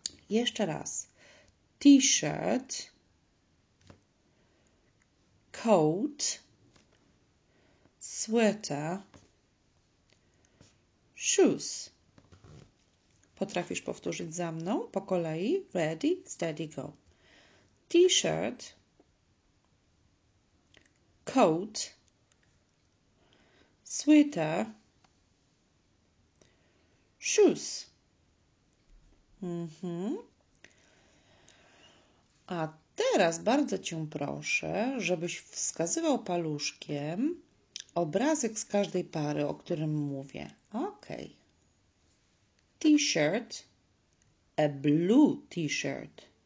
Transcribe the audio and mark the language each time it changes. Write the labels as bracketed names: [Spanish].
[Polish] Jeszcze raz. T-shirt. [English] Coat. Sweater. Shoes. [Polish] Potrafisz powtórzyć za mną po kolei? [English] Ready, steady, go. T-shirt, coat, sweater, shoes. [Polish] A teraz bardzo Cię proszę, żebyś wskazywał paluszkiem obrazek z każdej pary, o którym mówię. Okej. Okay. [English] T-shirt, a blue t-shirt.